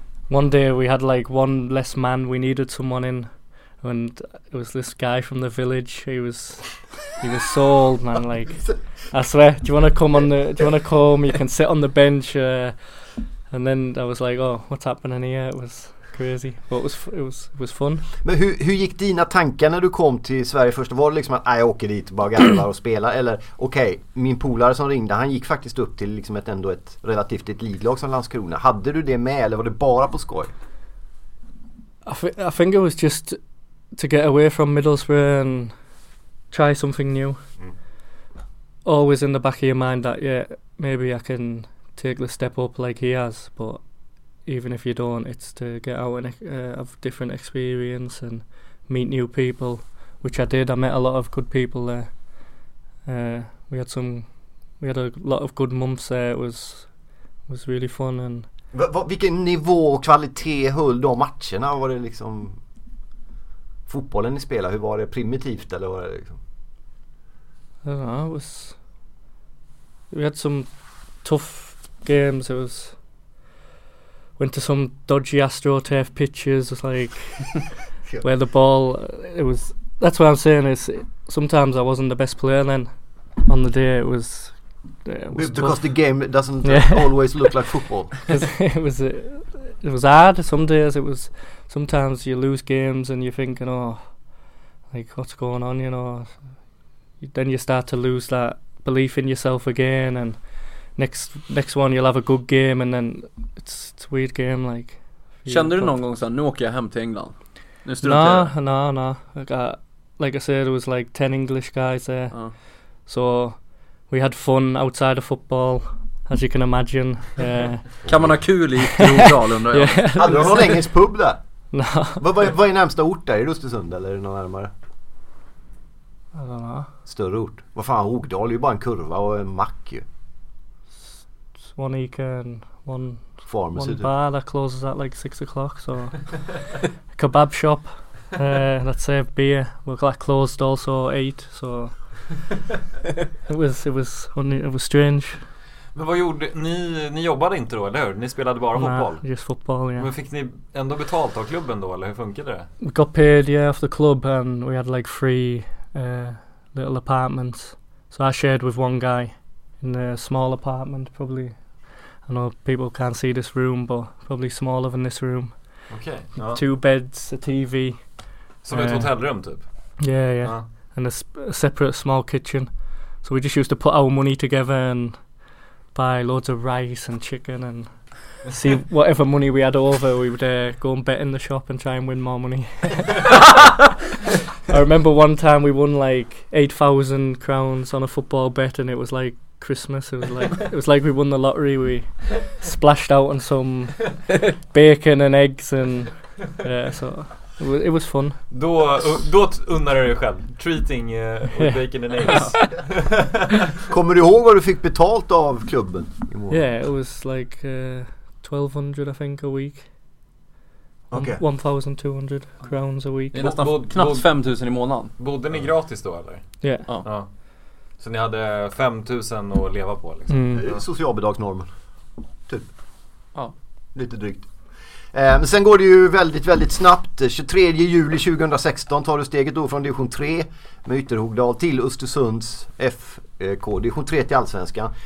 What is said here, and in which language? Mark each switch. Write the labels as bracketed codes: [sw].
[en] One day we had like one less man, we needed someone in, and it was this guy from the village. He was so old, man, like, I swear, do you want to come, you can sit on the bench. And then I was like, oh, what's happening here? It was crazy, but it was fun. [sv] Men hur gick dina tankar när du kom till Sverige först? Var det liksom att jag åker dit och bara garvar och spelar? Eller okej, okay, min polare som ringde, han gick faktiskt upp till liksom ett relativt elitlag som Landskrona. Hade du det med eller var det bara på skoj? [en] I think it was just to get away from Middlesbrough and try something new. Mm. Always in the back of your mind that, yeah, maybe I can take the step up like he has, but even if you don't, it's to get out and have different experience and meet new people, which I did. I met a lot of good people there. We had a lot of good months there. It was really fun. And [sv] vilken nivå och kvalitet höll då matcherna? Var det liksom fotbollen ni spelade? Hur var det, primitivt eller var det liksom? [en] We had some tough games. Went to some dodgy AstroTurf pitches, like sure. Where the ball, it was, that's what I'm saying, is sometimes I wasn't the best player then on the day. It was because tough. The game doesn't always look like football. It was hard some days. It was, sometimes you lose games and you're thinking, oh, like, what's going on, you know? Then you start to lose that belief in yourself again, and next one you'll have a good game, and then it's a weird game, like. [sv] Kände du någon gång så nu åker jag hem till England? [en] No. Like I said, there was like 10 English guys there. So we had fun outside of football, as you can imagine. [sv] Kan man ha kul i Ytterhogdal, undrar jag. Hade du någon engelsk pub där? No. Vad är närmsta ort där? Är det Östersund eller är det någon närmare? [en] I don't know. [sv] Större ort. Vad fan, Ogdal är ju bara en kurva och en mack ju. [en] One Eka and one pharmacy, one bar that closes at like 6 o'clock, so kebab shop that served beer, well, that closed also 8, so it was strange. [sv] Men vad gjorde ni? Ni jobbade inte då, eller hur? Ni spelade bara fotboll? Nej, just fotboll, ja. Men fick ni ändå betalt av klubben då, eller hur funkade det? [en] We got paid, yeah, off the club, and we had like three little apartments. So I shared with one guy in a small apartment, probably. I know people can't see this room, but probably smaller than this room. Okay. Ja. Two beds, a TV. [sv] Som ett hotellrum, typ? [en] Yeah, yeah. And a separate small kitchen. So we just used to put our money together and buy loads of rice and chicken and see whatever money we had over, we would go and bet in the shop and try and win more money. I remember one time we won like 8,000 crowns on a football bet, and it was like Christmas. It was like we won the lottery. We splashed out on some bacon and eggs and so it was fun. [sv] Då unnar du dig själv [en] treating with bacon and eggs. [sv] Kommer du ihåg vad du fick betalt av klubben imorgon? [en] Yeah, it was like 1200 I think a week. Okay. 1200 crowns a week. [sv] Det är nästan knappt 5000 i månaden. Bodde ni gratis då eller? [en] Yeah. [sv] Så ni hade 5000 att leva på liksom. Socialbidragsnormen. Typ. Ja. Lite drygt. Men sen går det ju väldigt, väldigt snabbt. 23 juli 2016 tar du steget då från division 3 med Ytterhogdal till Östersunds FK, division 3 till Allsvenskan.